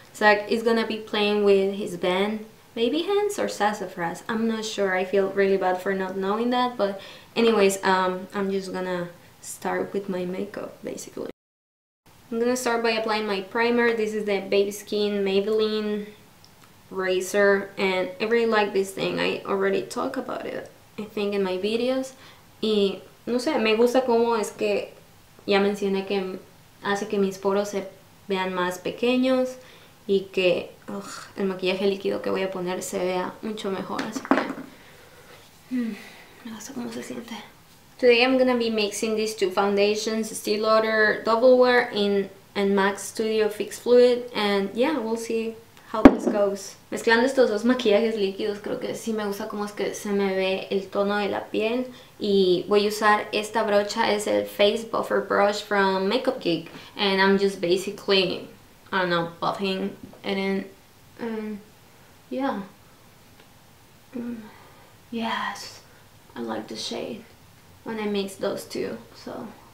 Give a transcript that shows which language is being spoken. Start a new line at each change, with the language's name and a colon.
English: Zach is gonna be playing with his band, maybe Hens or Sassafras, I'm not sure, I feel really bad for not knowing that, but anyways, I'm just gonna start with my makeup basically. I'm gonna start by applying my primer. This is the Baby Skin Maybelline razor, and I really like this thing. I already talked about it, I think, in my videos.
Spanish: Y no sé, me gusta cómo es que ya mencioné que hace que mis poros se vean más pequeños y que el maquillaje líquido que voy a poner se vea mucho mejor. Así que me gusta cómo se siente.
English: Today I'm gonna be mixing these two foundations, Estee Lauder Double Wear and MAC Studio Fix Fluid, and yeah, we'll see how this goes.
Spanish: Mezclando estos dos maquillajes líquidos, creo que sí me gusta cómo es que se me ve el tono de la piel. Y voy a usar esta brocha, es el Face Buffer Brush from Makeup Geek.
English: And I'm just basically, I don't know, buffing it in. Yes, I like the shade when I mix those two, so.